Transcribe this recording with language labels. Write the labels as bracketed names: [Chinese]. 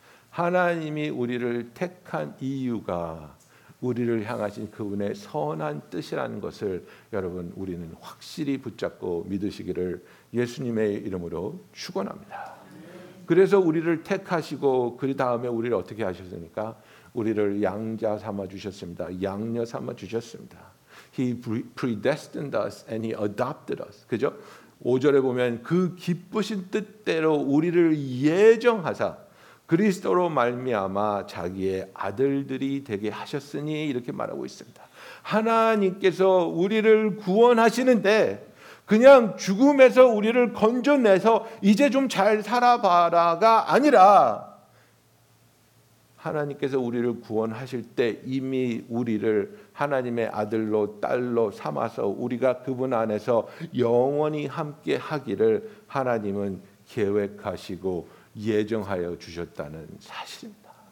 [Korean] 하나님이 우리를 택한 이유가 우리를 향하신 그분의 선한 뜻이라는 것을 여러분 우리는 확실히 붙잡고 믿으시기를 예수님의 이름으로 축원합니다. 그래서 우리를 택하시고 그 다음에 우리를 어떻게 하셨습니까? 우리를 양자 삼아주셨습니다. 양녀 삼아주셨습니다. [English] He predestined us and he adopted us. [Korean] 그죠? 5절에 보면 그 기쁘신 뜻대로 우리를 예정하사 그리스도로 말미암아 자기의 아들들이 되게 하셨으니 이렇게 말하고 있습니다. 하나님께서 우리를 구원하시는데 그냥 죽음에서 우리를 건져내서 이제 좀 잘 살아봐라가 아니라 하나님께서 우리를 구원하실 때 이미 우리를 하나님의 아들로 딸로 삼아서 우리가 그분 안에서 영원히 함께 하기를 하나님은 계획하시고 예정하여 주셨다는 사실입니다.